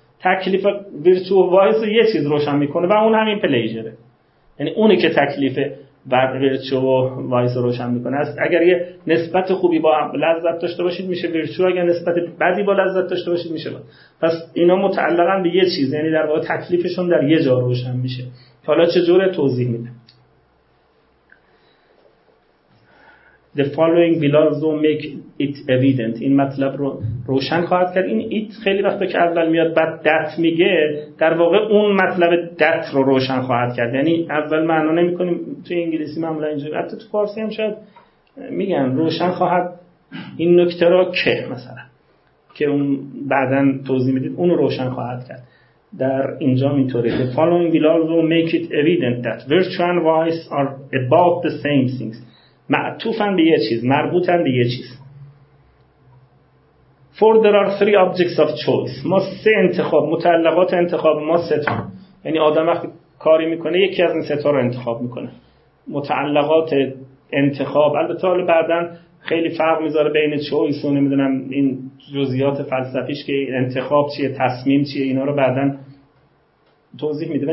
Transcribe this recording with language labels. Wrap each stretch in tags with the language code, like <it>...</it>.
<fa>تکلیف ویرتو و وایس رو یه چیز روشن میکنه و اون همین پلیجره، یعنی اونی که تکلیف ویرتو و وایس رو روشن میکنه. اگر یه نسبت خوبی با لذت داشته باشید میشه ویرتو، اگر نسبت بدی با لذت داشته باشید میشه باید. پس اینا متعلقن به یه چیز، یعنی در واقع تکلیفشون در یه جا روشن میشه. حالا چجوره توضیح میده؟</fa> <en>The following will also make it evident.</en> <fa>این مطلب رو روشن خواهد کرد. این it خیلی وقتا که اول میاد بعد that میگه، در واقع اون مطلب that رو روشن خواهد کرد. یعنی اول معنا نمی کنیم تو انگلیسی، معمولا اینجوری، حتی تو فارسی هم شاید میگن روشن خواهد این نکته را که، مثلا که اون بعدن توضیح میدید، اون رو روشن خواهد کرد. در اینجا میتوره</fa> <en>The following will also make it evident that virtue and vice are about the same things.</en> <fa>معطوفن به یه چیز، مربوطن به یه چیز.</fa> <en>For there are three objects of choice.</en> <fa>ما سه انتخاب، متعلقات انتخاب ما سه تا. یعنی آدم وقتی کاری میکنه یکی از این سه تا رو انتخاب میکنه. متعلقات انتخاب، البته حالا بعدن خیلی فرق میذاره بین choice و نمیدونم این جزئیات فلسفیش که انتخاب چیه، تصمیم چیه، اینا رو بعدن توضیح میده.</fa>